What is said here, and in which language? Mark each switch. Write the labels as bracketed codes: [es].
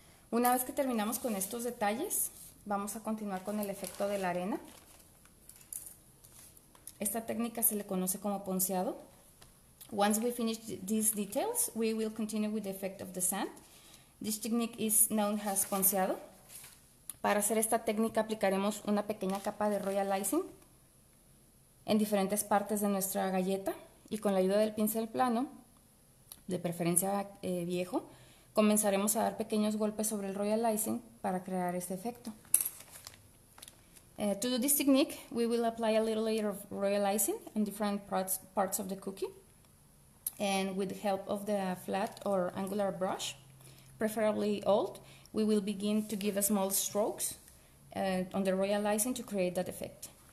[es] Una vez que terminamos con estos detalles, vamos a continuar con el efecto de la arena. Esta técnica se le conoce como ponceado. [en] Once we finish these details, we will continue with the effect of the sand. This technique is known as ponceado. [es] Para hacer esta técnica aplicaremos una pequeña capa de royal icing en diferentes partes de nuestra galleta y con la ayuda del pincel plano, de preferencia viejo, comenzaremos a dar pequeños golpes sobre el royal icing para crear este efecto. [en] To do this technique, we will apply a little layer of royal icing on different parts of the cookie and with the help of the flat or angular brush, preferably old, we will begin to give a small strokes on the royal icing to create that effect.